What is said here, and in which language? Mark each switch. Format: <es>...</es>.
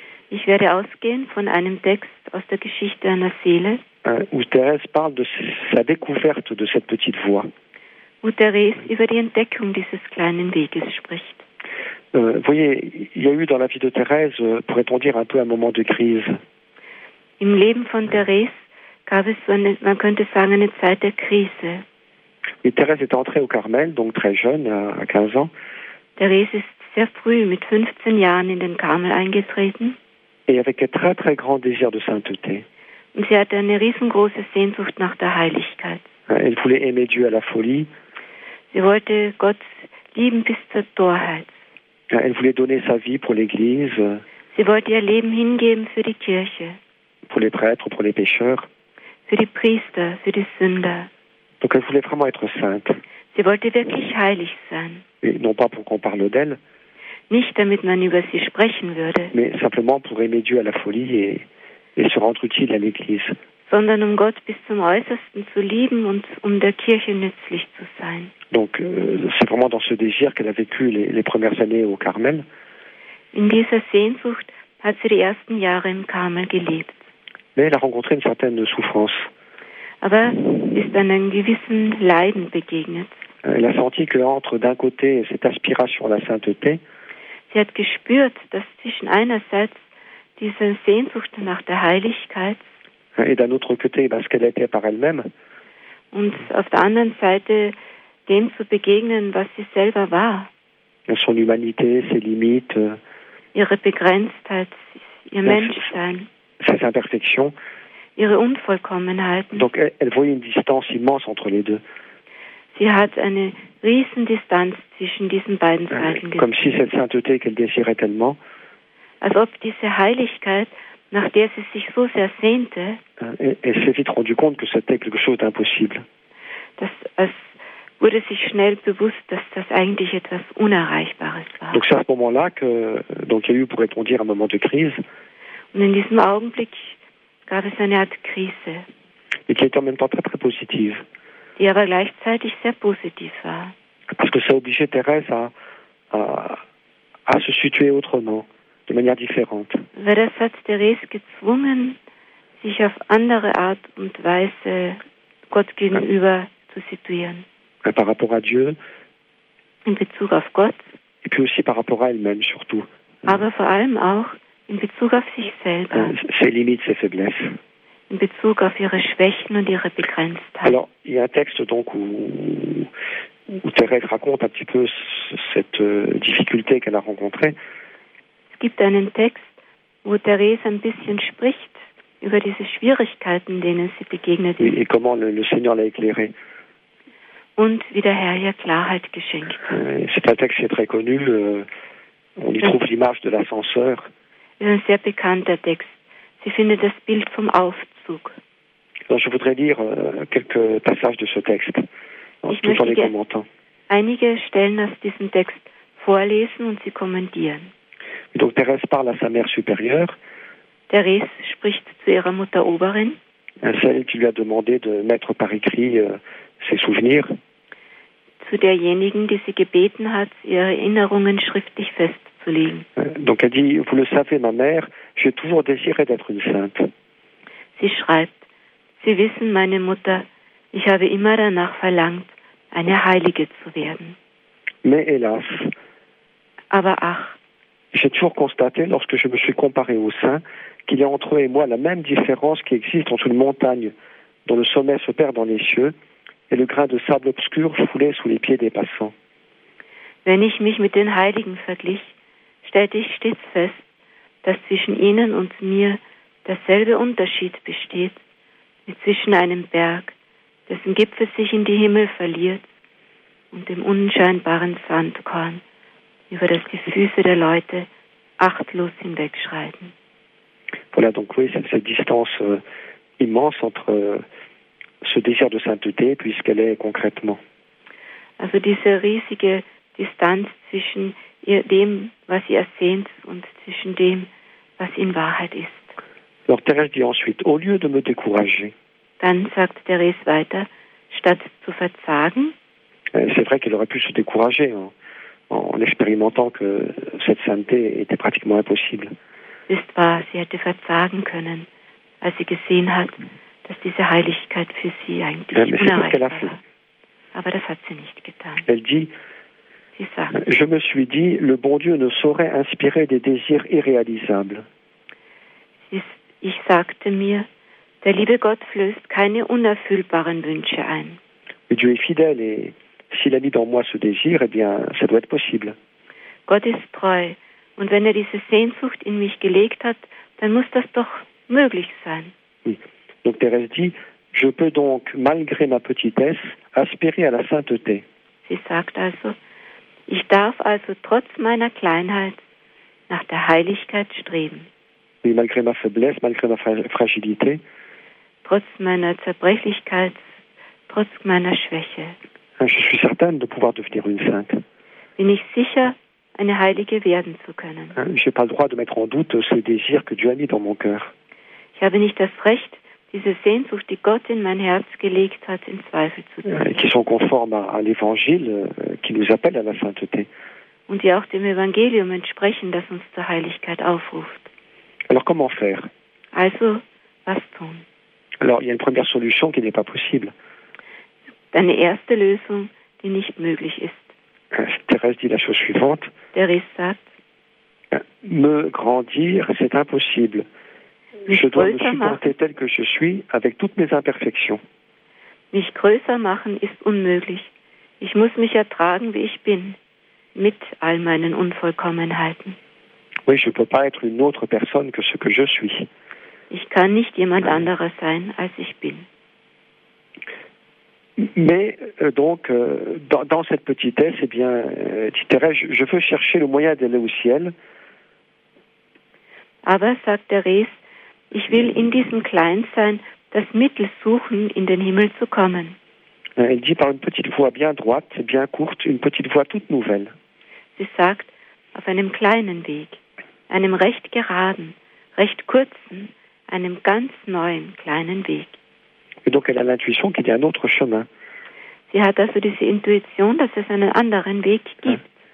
<de>Ich werde ausgehen von einem Text aus der Geschichte einer Seele.</de> <fr>Où Thérèse parle de sa découverte de cette petite voie.</fr> <de>Wo Thérèse über die Entdeckung dieses kleinen Weges spricht.</de> <fr>Voyez, il y a eu dans la vie de Thérèse, pourrait-on dire, un peu un moment de crise.</fr> <de>Im Leben von Thérèse gab es so eine, man könnte sagen, eine Zeit der Krise.</de> <fr>Oui, Thérèse est entrée au Carmel, donc très jeune, à 15 ans.</fr> <de>Thérèse ist sehr früh, mit 15 Jahren, in den Karmel eingetreten.</de> <fr>Et avec un très très grand désir de sainteté.</fr> <de>Und sie hatte eine riesengroße Sehnsucht nach der Heiligkeit.</de> <fr>Elle voulait aimer Dieu à la folie.</fr> <de>Sie wollte Gott lieben bis zur Torheit.</de> <fr>Elle voulait donner sa vie pour l'Église.</fr> <de>Sie wollte ihr Leben hingeben für die Kirche.</de> <fr>Pour les prêtres, pour les pécheurs.</fr> <de>Für die Priester, für die Sünder.</de> <fr>Donc elle voulait vraiment être sainte.</fr> <de>Sie wollte wirklich heilig sein.</de> <fr>Et non pas pour qu'on parle d'elle.</fr> <de>Nicht damit man über sie sprechen würde.</de> <fr>Mais simplement pour aimer Dieu à la folie et se rendre utile à l'Église.</fr> <de>Sondern um Gott bis zum Äußersten zu lieben und um der Kirche nützlich zu sein.</de> <fr>Donc c'est vraiment dans ce désir qu'elle a vécu les premières années au Carmel.</fr> <de>In dieser Sehnsucht hat sie die ersten Jahre im Carmel gelebt.</de> <fr>Mais elle a rencontré une certaine souffrance.</fr> <de>Aber ist dann einem gewissen Leiden begegnet.</de> <fr>Elle a senti que entre d'un côté cette aspiration à la sainteté.</fr> <de>Sie hat gespürt, dass zwischen einerseits diese Sehnsucht nach der Heiligkeit</de> <fr>et d'un autre côté, parce qu'elle était par elle-même.</fr> <de>Und auf der anderen Seite dem zu begegnen, was sie selber war.</de> <fr>Son humanité, ses limites.</fr> <de>Ihre Begrenztheit, ihr Menschsein.</de> <fr>Ses imperfections.</fr> <de>Ihre Unvollkommenheiten.</de> <fr>Donc elle voyait une distance immense entre les deux.</fr> <de>Sie hat eine riesen Distanz zwischen diesen beiden Seiten.</de> <fr>Comme si cette sainteté qu'elle désirait tellement.</fr> <de>Als ob diese Heiligkeit, nach der sie sich so sehr sehnte,</de> <fr>elle s'est vite rendu compte que c'était quelque chose d'impossible.</fr> <de>Es wurde sich schnell bewusst, dass das eigentlich etwas Unerreichbares war.</de> <fr>Donc c'est à ce moment-là que, donc il y a eu, pourrait-on dire, un moment de crise.</fr> <de>Und in diesem Augenblick gab es eine Art Krise.</de> <fr>Et qui était en même temps très, très positive.</fr> <de>Die aber gleichzeitig sehr positiv war.</de> <fr>Parce que ça obligeait Thérèse à se situer autrement. De manière différente.</fr> <de>Weil das hat Thérèse gezwungen, sich auf andere Art und Weise Gott gegenüber zu situieren.</de> <fr>Et par rapport à Dieu.</fr> <de>In Bezug auf Gott.</de> <fr>Et puis aussi par rapport à elle-même, surtout.</fr> <de>Aber vor allem auch in Bezug auf sich selber.</de> <fr>Ses limites, ses faiblesses.</fr> <de>In Bezug auf ihre Schwächen und ihre Begrenztheit.</de> <fr>Alors, il y a un texte donc où Thérèse raconte un petit peu cette difficulté qu'elle a rencontrée.</fr> <de>Es gibt einen Text, wo Thérèse ein bisschen spricht über diese Schwierigkeiten, denen sie begegnet ist.</de> <fr>Et comment le Seigneur l'a éclairé.</fr> <de>Und wie der Herr ihr Klarheit geschenkt hat.</de> <fr>C'est un texte qui est très connu. On y trouve l'image de l'ascenseur.</fr> <de>Es ist ein sehr bekannter Text. Sie findet das Bild vom Aufzug.</de> <fr>Alors, je voudrais lire quelques passages de ce texte, tout en les commentant.</fr> <de>Einige Stellen aus diesem Text vorlesen und sie kommentieren.</de> <fr>Donc Thérèse parle à sa mère supérieure.</fr> <de>Thérèse spricht zu ihrer Mutter Oberin.</de> <fr>Celle qui lui a demandé de mettre par écrit ses souvenirs.</fr> <de>Zu derjenigen, die sie gebeten hat, ihre Erinnerungen schriftlich festzulegen.</de> <fr>Donc elle dit, vous le savez, ma mère, j'ai toujours désiré d'être une sainte.</fr> <de>Sie schreibt, Sie wissen, meine Mutter, ich habe immer danach verlangt, eine Heilige zu werden.</de> <fr>Mais hélas.</fr> <de>Aber ach.</de> <fr>J'ai toujours constaté, lorsque je me suis comparé aux saints, qu'il y a entre eux et moi la même différence qui existe entre une montagne dont le sommet se perd dans les cieux et le grain de sable obscur foulé sous les pieds des passants.</fr> <de>Wenn ich mich mit den Heiligen verglich, stellte ich stets fest, dass zwischen ihnen und mir derselbe Unterschied besteht, wie zwischen einem Berg, dessen Gipfel sich in die Himmel verliert, und dem unscheinbaren Sandkorn, über das die Füße der Leute achtlos hinwegschreiten.</de> <fr>Voilà, donc oui, c'est cette distance immense entre ce désir de sainteté, puisqu'elle est concrètement.</fr> <de>Also diese riesige Distanz zwischen dem, was sie ersehnt, und zwischen dem, was in Wahrheit ist.</de> <fr>Alors Thérèse dit ensuite, au lieu de me décourager.</fr> <de>Dann sagt Thérèse weiter, statt zu verzagen.</de> <fr>C'est vrai qu'elle aurait pu se décourager, hein. En expérimentant que cette sainteté était pratiquement impossible.</fr> <de>Ist wahr, sie hätte verzagen können, als sie gesehen hat, dass diese Heiligkeit für sie eigentlich unerreichbar war. Aber das hat sie nicht getan.</de> <fr>Elle dit,</fr> <de>sie sagt,</de> <fr>je me suis dit, le bon Dieu ne saurait inspirer des désirs irréalisables.</fr> <de>Ich sagte mir, der liebe Gott flößt keine unerfüllbaren Wünsche ein.</de> <fr>Et Dieu est fidèle et s'il a mis dans moi ce désir, eh bien, ça doit être possible.</fr> <de>Gott ist treu und wenn diese Sehnsucht in mich gelegt hat, dann muss das doch möglich sein.</de> <fr>Oui. Donc Thérèse dit, je peux donc, malgré ma petitesse, aspirer à la sainteté.</fr> <de>Sie sagt also, ich darf also trotz meiner Kleinheit nach der Heiligkeit streben.</de> <fr>Oui, malgré ma faiblesse, malgré ma fragilité.</fr> <de>Trotz meiner Zerbrechlichkeit, trotz meiner Schwäche.</de> <fr>Je suis certaine de pouvoir devenir une sainte.</fr> <de>Bin ich sicher, eine Heilige werden zu können.</de> <fr>Je n'ai pas le droit de mettre en doute ce désir que Dieu a mis dans mon cœur.</fr> <de>Ich habe nicht das Recht, diese Sehnsucht, die Gott in mein Herz gelegt hat, in Zweifel zu ziehen.</de> <fr>Qui sont conformes à l'Évangile, qui nous appelle à la sainteté.</fr> <de>Und die auch dem Evangelium entsprechen, das uns zur Heiligkeit aufruft.</de> <fr>Alors comment faire?</fr> <de>Also, was tun?</de> <fr>Alors, il y a une première solution qui n'est pas possible.</fr> <de>Deine erste Lösung, die nicht möglich ist.</de> <fr>Thérèse dit la chose suivante.</fr> <de>Thérèse sagt,</de> <fr>me grandir, c'est impossible. Je dois me supporter tel que je suis, avec toutes mes imperfections.</fr> <de>Mich größer machen ist unmöglich. Ich muss mich ertragen, wie ich bin, mit all meinen Unvollkommenheiten.</de> <fr>Oui, je ne peux pas être une autre personne que ce que je suis.</fr> <de>Ich kann nicht jemand anderer sein, als ich bin.</de> <fr>Mais donc, dans cette petitesse, eh bien, Thérèse, je veux chercher le moyen d'aller au ciel.</fr> <de>Aber, sagt Thérèse, ich will in diesem Kleinsein das Mittel suchen, in den Himmel zu kommen.</de> <fr>Elle dit par une petite voix bien droite, bien courte, une petite voix toute nouvelle.</fr> <de>Sie sagt, auf einem kleinen Weg, einem recht geraden, recht kurzen, einem ganz neuen kleinen Weg.</de> <fr>Et donc elle a l'intuition qu'il y a un autre chemin.</fr> <de>Sie hat also diese Intuition, dass es einen anderen Weg gibt.</de>